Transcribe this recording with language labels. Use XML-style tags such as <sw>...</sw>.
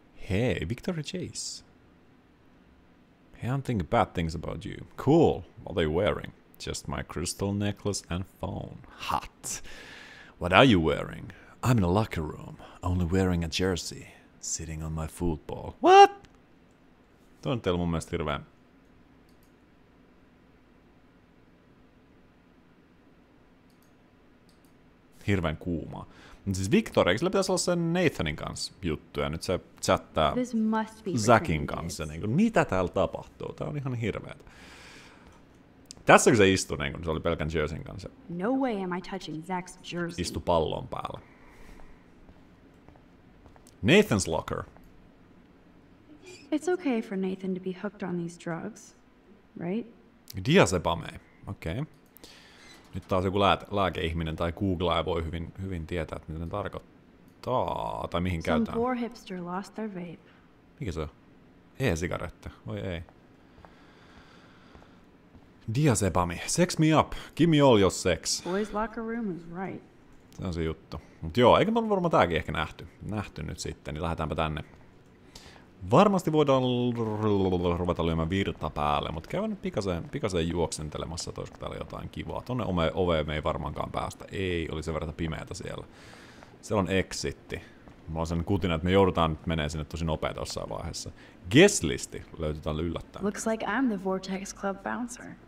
<fi>Hei, Victoria Chase.</fi> <en>Hey, I'm thinking bad things about you. Cool. What are you wearing? Just my crystal necklace and phone. Hot. What are you wearing? I'm in a locker room, only wearing a jersey, sitting on my football. What?</en> <fi>Tuo on teillä mun mielestä hirveä. Hirveän kuuma. Mutta siis Victoria, eikö sillä pitäisi olla sen Nathanin kanssa juttuja? Nyt se chattaa Zackin kanssa. Niin kuin, mitä täällä tapahtuu? Tää on ihan hirveätä. Tässä kun se istui, niin kun se oli pelkän jerseyn kanssa.</fi> <en>No way am I touching Zack's jersey.</en> <fi>Istu pallon päällä.</fi> <en>Nathan's locker. It's okay for Nathan to be hooked on these drugs, right?</en> <fi>Diazepame. Okei. Nyt taas joku lääkeihminen tai googlaa voi hyvin tietää, mitä ne tarkoittaa tai mihin</fi> <en>some</en> <fi>käytetään.</fi> <en>Some poor hipster lost their vape.</en> <fi>Mikä se on? E-sigaretta. Voi ei. Diazepami.</fi> <en>Sex me up. Give me all your sex. Boys locker room is right.</en> <fi>Se on se juttu. Mut joo, eikö mun varmaan tääkin ehkä nähty nyt sitten, niin lähdetäänpä tänne. Varmasti voidaan ruveta lyömään virta päälle, mutta käydään nyt pikaseen juoksentelemassa, että olisiko täällä jotain kivaa. Tuonne oveen me ei varmaankaan päästä. Ei, oli sen verran pimeätä siellä. Siellä on exitti. Mä oon sen kutin, että me joudutaan nyt menemään sinne tosi nopeita jossain vaiheessa. Guest listi löytyy täällä yllättäen.</fi> <en>Looks like I'm the Vortex Club bouncer.</en>